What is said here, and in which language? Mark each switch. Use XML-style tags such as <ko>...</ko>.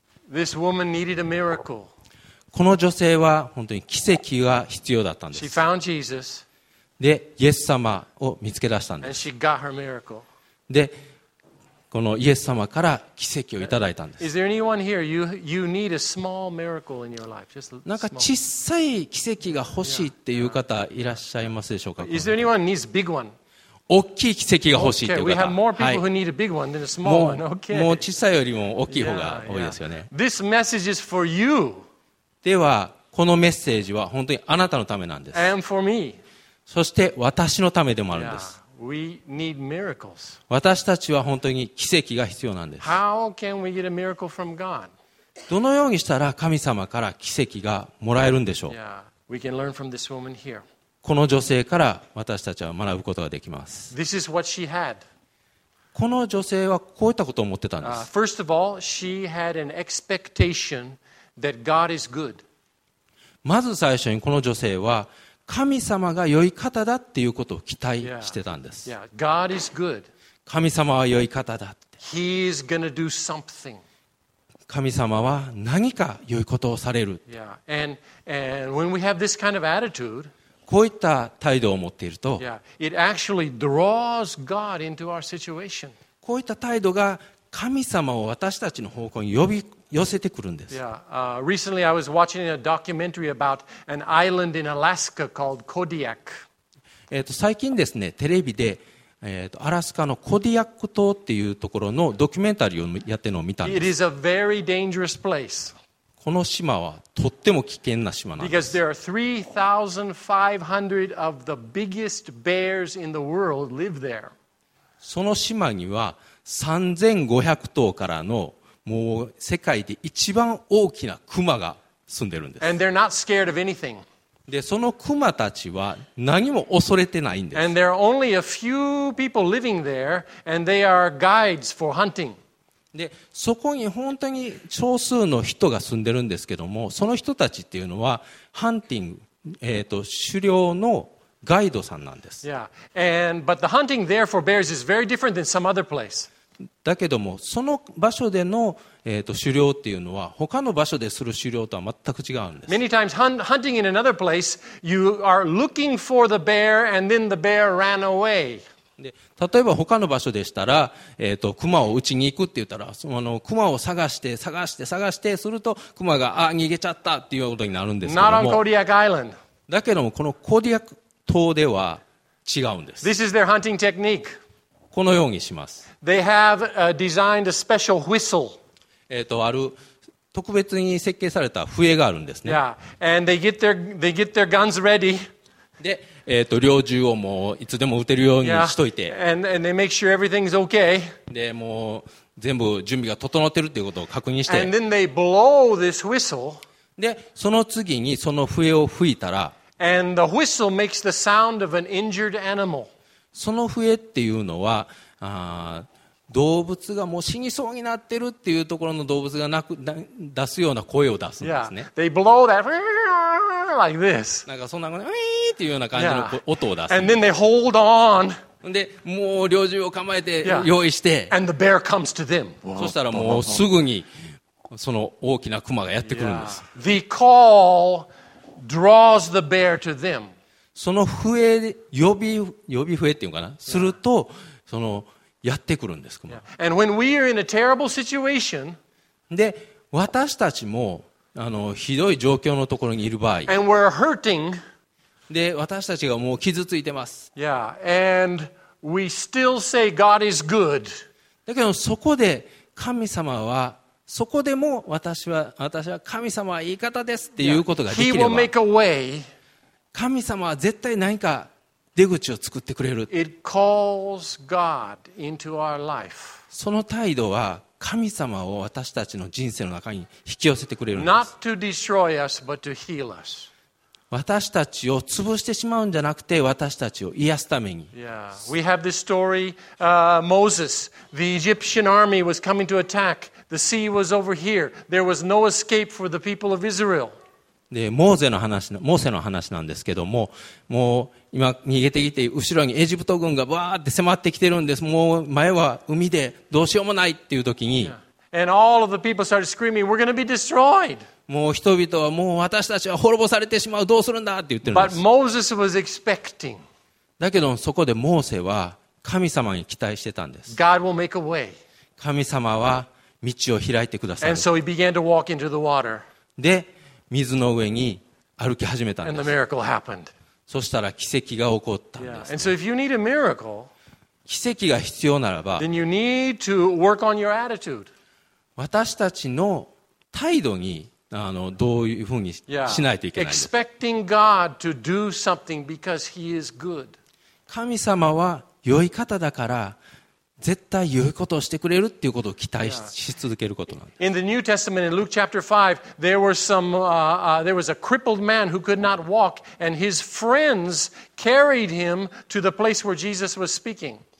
<en>This woman needed a miracle.</en> <ja>この女性は本当に奇跡が必要だったんです。</ja> <en>She found Jesus.</en> <ja>で、イエス様を見つけ出したんです。</ja> <en>And she got her miracle.</en> <ja>で、このイエス様から奇跡をいただいたんです。</ja> <en>Is there anyone here? You need a small miracle in your life. Just</en> <ja>なんか小さい奇跡が欲しいっていう方いらっしゃいますでしょうか。</ja> <en>Is there anyone needs a big one?</en> <ja>大きい奇跡が欲しいっていう方。</ja> <en>Okay, we have more people who need a big one than a small one. Okay.</en> <ja>もう小さいよりも大きい方が多いですよね。</ja> <en>This message is for you.</en> <ja>ではこのメッセージは本当にあなたのためなんです。</ja> <en>And for me.</en> <ja>そして私のためでもあるんです。</ja> <en>We need miracles.</en> <ja>私たちは本当に奇跡が必要なんです。</ja> <en>How can we get a miracle from God?</en> <ja>どのようにしたら神様から奇跡がもらえるんでしょう。</ja> <en>Yeah. We can learn from this woman here.</en> <ja>この女性から私たちは学ぶことができます。</ja> <en>This is what she had.</en> <ja>この女性はこういったことを思ってたんです。</ja> <en>First of all, she had an expectation that God is good.</en> <ja>まず最初にこの女性は神様が良い方だっていうことを期待してたんです。</ja> <en>God is good.</en> <ja>神様は良い方だって。</ja> <en>He is gonna do something.</en> <ja>神様は何か良いことをされる。</ja> <en>Yeah. And when we have this kind of attitude,</en> <ja>こういった態度を持っていると、</ja> <en>yeah. It actually draws God into our situation.</en> <ja>こういった態度が神様を私たちの方向に呼び寄せてくるんです。</ja> <en>Recently I was watching a documentary about an island in Alaska called Kodiak.</en> <ja>最近ですね、テレビで、アラスカのコディアック島っていうところのドキュメンタリーをやってるのを見たんです。</ja> <en>It is a very dangerous place.</en> <ja>この島はとっても危険な島なんです。</ja> <en>Because there are 3,500 of the biggest bears in the world live there.</en> <ja>その島には3500頭からのもう世界で一番大きなクマが住んでるんです。</ja> <en>And they're not scared of anything.</en> <ja>でそのクマたちは何も恐れてないんです。</ja> <en>And there are only a few people living there, and they are guides for hunting.</en> <ja>でそこに本当に少数の人が住んでるんですけども、その人たちっていうのはハンティング、狩猟のガイドさんなんです。</ja> <en>Yeah. And, but the hunting there for bears is very different than some other place.</en> <ja>だけどもその場所での、狩猟っていうのは他の場所でする狩猟とは全く違うんです。</ja> <en>Many times hunting in another place, you are looking for the bear and then the bear ran away.</en> <ja>で例えば他の場所でしたら、クマを撃ちに行くって言ったら、そのクマを探して探して探してするとクマが逃げちゃったっていうことになるんですけども、</ja> <en>Not on Kodiak Island.</en> <ja>だけどもこのコディアク島では違うんです。</ja> <en>This is their hunting technique.</en> <ja>このようにします。</ja> <en>They have designed a special whistle.</en> <ja>ある特別に設計された笛があるんですね。</ja> <en>Yeah. And they get their guns ready.</en> <ja>で、猟銃をもういつでも撃てるようにしといて。</ja> <en>Yeah. And they make sure everything's okay.</en> <ja>で、もう全部準備が整ってるっていうことを確認して。</ja> <en>And then they blow this whistle.</en> <ja>で、その次にその笛を吹いたら。</ja> <en>And the whistle makes the sound of an injured animal.</en> <ja>その笛っていうのは動物がもう死にそうになってるっていうところの動物が出すような声を出すんですね。</ja> <en>Yeah. They blow that like this.</en> <ja>なんかそんなウィーっていうような感じの音を出す。</ja> <en>And then they hold on.</en> <ja>でもう猟銃を構えて用意して。</ja> <en>And the bear comes to them.</en> <ja>そしたらもうすぐにその大きなクマがやってくるんです。</ja> <en>The call draws the bear to them.</en> <ja>その笛呼び笛っていうのかな、yeah. するとそのやってくるんです。</ja> <en>Yeah. And when we are in a terrible situation,</en> <ja>で私たちもひどい状況のところにいる場合、</ja> <en>and we're hurting,</en> <ja>で私たちがもう傷ついてます。</ja> <en>Yeah. And we still say God is good.</en> <ja>だけどそこで神様は、そこでも私は神様は言い方ですっていうことができれば、</ja> <en>yeah. He will make a way.</en> <ja>神様は絶対何か出口を作ってくれる。</ja> <en>It calls God into our life.</en> <ja>その態度は神様を私たちの人生の中に引き寄せてくれるんです。</ja> <en>Not to destroy us, but to heal us.</en> <ja>私たちを潰してしまうんじゃなくて、私たちを癒すために。</ja> <en>Yeah. We have this story, Moses. The Egyptian army was coming to attack. The sea was over here. There was no escape for the people of Israel.</en> <ja>でモーセの話なんですけども、もう今逃げてきて後ろにエジプト軍がバーって迫ってきてるんです。もう前は海でどうしようもないっていう時に、yeah.</ja> <en>And all of the people started screaming, "We're going to be destroyed."</en> <ja>もう人々はもう私たちは滅ぼされてしまう、どうするんだって言ってるんです。</ja> <en>But Moses was expecting.</en> <ja>だけどそこでモーセは神様に期待してたんです。</ja> <en>God will make a way.</en> <ja>神様は道を開いてくださる。</ja> <en>And so he began to walk into the water.</en> <ja>で水の上に歩き始めたんです。</ja> <en>And the miracle happened.</en> <ja>そしたら奇跡が起こったんです、ね。</ja> <en>Yeah. And so if you need a miracle,</en> <ja>奇跡が必要ならば、</ja> <en>then you need to work on your attitude.</en> <ja>私たちの態度にどういうふうにしないといけないんです。</ja> <en>Expecting God to do something because He is good.</en> <ja>神様は良い方だから絶対良いことをしてくれるっていうことを期待し続けることなんです。</ja> <en>In the New Testament, in Luke chapter 5, there was a crippled man who could not walk, and his friends carried him to the place where Jesus was speaking.</en>